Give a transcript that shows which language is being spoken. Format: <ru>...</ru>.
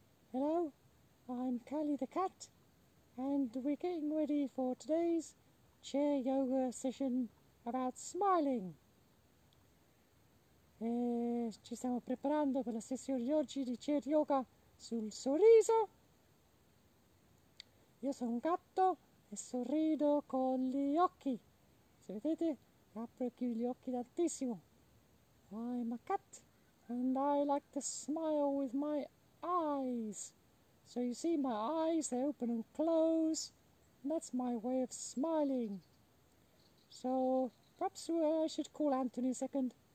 <en>Hello, I'm Callie the cat and we're getting ready for today's chair yoga session about smiling.</en> <it>E ci stiamo preparando per la sessione di oggi di chair yoga sul sorriso. Io sono un gatto e sorrido con gli occhi, se vedete. Apro e chiudo gli occhi tantissimo.</it> <en>I'm a cat and I like to smile with my eyes. So you see my eyes, they open and close. And that's my way of smiling. So perhaps I should call Anthony a second.</en>